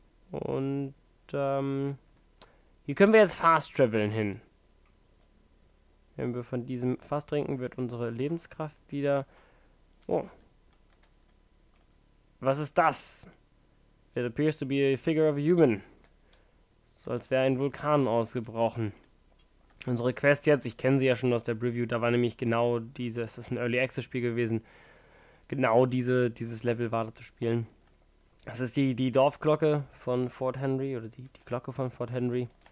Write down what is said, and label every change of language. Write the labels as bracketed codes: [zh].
[de] Und hier können wir jetzt fast traveln hin. Wenn wir von diesem Fass trinken, wird unsere Lebenskraft wieder. Oh. Was ist das? [en] It appears to be a figure of a human. [de] So als wäre ein Vulkan ausgebrochen. Unsere Quest jetzt, ich kenne sie ja schon aus der Preview, da war nämlich genau dieses, das ist ein Early Access Spiel gewesen, genau dieses Level war da zu spielen. Das ist die Dorfglocke von Fort Henry oder die Glocke von Fort Henry.